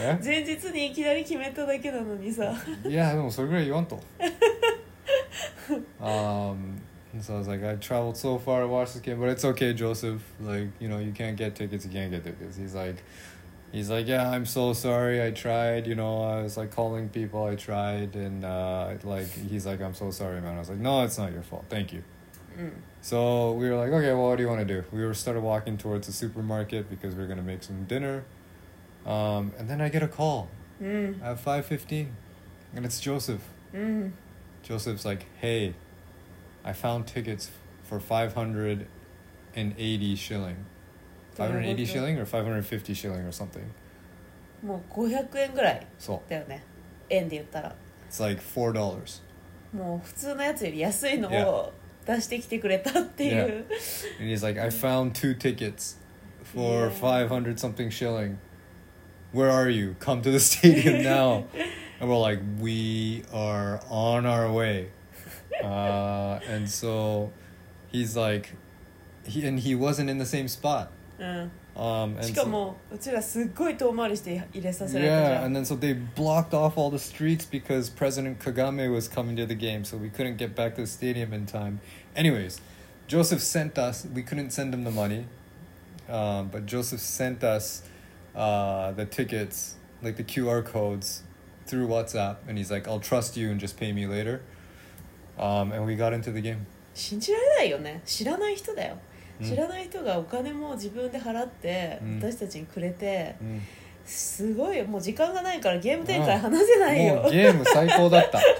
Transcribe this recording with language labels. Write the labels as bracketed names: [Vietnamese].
[Japanese] 前日にいきなり決めただけなのにさ。 Yeah, でもそれぐらい言わんと。 [English] so I was like, I traveled so far to watch this game, but it's okay, Joseph. Like, you know, you can't get tickets. He's like, yeah, I'm so sorry. I tried, you know, I was like calling people. I tried. And like, he's like, I'm so sorry, man. I was like, no, it's not your fault. Thank you. So we were like, okay, well, what do you want to do? We started walking towards the supermarket because we're going to make some dinner. And then I get a call at 5:15 and it's Joseph. Joseph's like, hey, I found tickets for 580 shilling. 580 shilling or 550 shilling or something. [Japanese] もう500円ぐらいだよね。円で言ったら。 [English] It's like $4. [Japanese] もう普通のやつより安いのを出してきてくれたっていう。 [English] Yeah. And he's like, I found two tickets for 500 something shilling. Where are you? Come to the stadium now. And we're like, we are on our way. And so he's like, he wasn't in the same spot. [Japanese] And しかも、うちらすっごい遠回りして入れさせられたじゃん。 [English] Yeah, and then so they blocked off all the streets because President Kagame was coming to the game, so we couldn't get back to the stadium in time. Anyways, Joseph sent us, we couldn't send him the money. But Joseph sent us the tickets, like the QR codes, through WhatsApp, and he's like, I'll trust you and just pay me later. And we got into the game. [Japanese] 信じられないよね。知らない人だよ。知らない人がお金も自分で払って私たちにくれて、すごい。もう時間がないからゲーム展開話せないよ。もうゲーム最高だった。